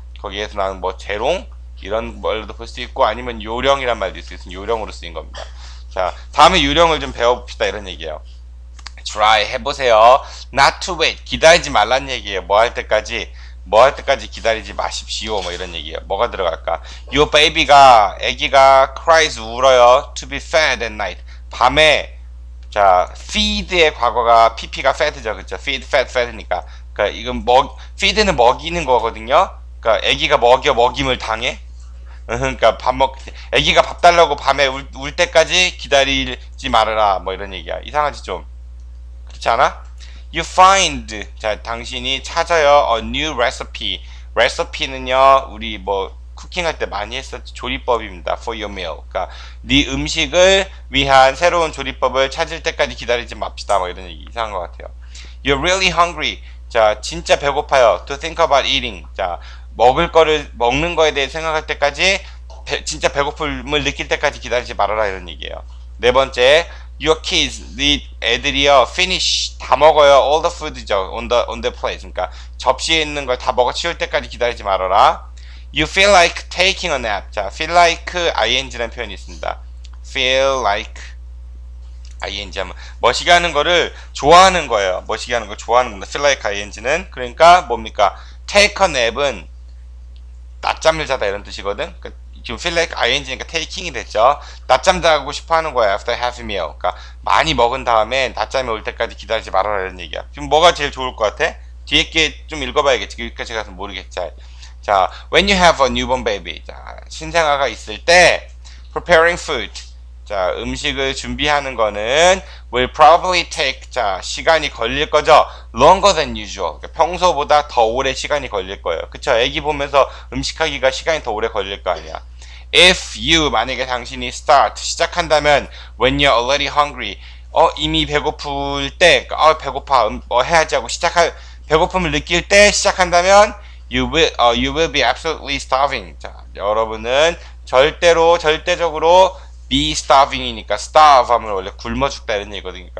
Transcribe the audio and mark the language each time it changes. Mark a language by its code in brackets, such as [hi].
[ko] 거기에서 나는 뭐, 재롱? 이런 말도 볼 수 있고, 아니면 요령이란 말도 있을 수 있어요. 요령으로 쓰인 겁니다. 자, 다음에 요령을 좀 배워봅시다. 이런 얘기예요. [en] try [ko] 해보세요. [en] not to wait [ko] 기다리지 말란 얘기예요. 뭐 할 때까지 뭐 할 때까지 기다리지 마십시오. 뭐 이런 얘기예요. 뭐가 들어갈까? [en] your baby가 [ko] 아기가 [en] cries [ko] 울어요. [en] to be fed at night [ko] 밤에 자 feed의 과거가 pp가 fed죠. 그렇죠? feed fed fed니까 그러니까 이건 먹 feed는 먹이는 거거든요. 그러니까 아기가 먹여 먹임을 당해. 그러니까 밥 먹 아기가 밥 달라고 밤에 울 때까지 기다리지 말아라. 뭐 이런 얘기야. 이상하지 좀. 않아? [en] You find [ko] 자 당신이 찾아요 [en] a new recipe. [ko] recipe는요 우리 뭐 쿠킹할 때 많이 했었죠. 조리법입니다. [en] for your meal. [ko] 그러니까 네 음식을 위한 새로운 조리법을 찾을 때까지 기다리지 맙시다. 뭐 이런 얘기 이상한 것 같아요. [en] You're really hungry. [ko] 자 진짜 배고파요. [en] to think about eating. [ko] 자 먹을 거를 먹는 거에 대해 생각할 때까지 진짜 배고픔을 느낄 때까지 기다리지 말아라 이런 얘기예요. 네 번째. [en] Your kids, [ko] 네 애들이요, [en] finish, [ko] 다 먹어요, [en] all the food죠, on the plate. [ko] 그러니까, 접시에 있는 걸 다 먹어 치울 때까지 기다리지 말아라. [en] You feel like taking a nap. [ko] 자, feel like ing라는 표현이 있습니다. feel like ing 하면, 멋있게 하는 거를 좋아하는 거예요. 멋있게 하는 걸 좋아하는 겁니다. feel like ing는. 그러니까, 뭡니까? take a nap은, 낮잠을 자다 이런 뜻이거든. 그러니까 you feel like ing니까 taking이 됐죠. 낮잠 자고 싶어 하는 거야. [en] after half a meal. [ko] 그러니까 많이 먹은 다음에 낮잠이 올 때까지 기다리지 말아라 이런 얘기야. 지금 뭐가 제일 좋을 것 같아? 뒤에 게 좀 읽어봐야겠지. 여기까지 가서 모르겠지. [en] 자, when you have a newborn baby. [ko] 자, 신생아가 있을 때 [en] preparing food. [ko] 자, 음식을 준비하는 거는 [en] will probably take. [ko] 자, 시간이 걸릴 거죠. [en] longer than usual. [ko] 그러니까 평소보다 더 오래 시간이 걸릴 거예요. 그쵸? 애기 보면서 음식하기가 시간이 더 오래 걸릴 거 아니야. [en] if you, [ko] 만약에 당신이 [en] start, [ko] 시작한다면 [en] when you're already hungry. [ko] 이미 배고플 때, 배고파, 뭐 해야지 하고 시작할, 배고픔을 느낄 때 시작한다면 [en] you will be absolutely starving. [ko] 자, 여러분은 절대적으로 be starving이니까 starve 하면 원래 굶어 죽다 이런 얘기거든요.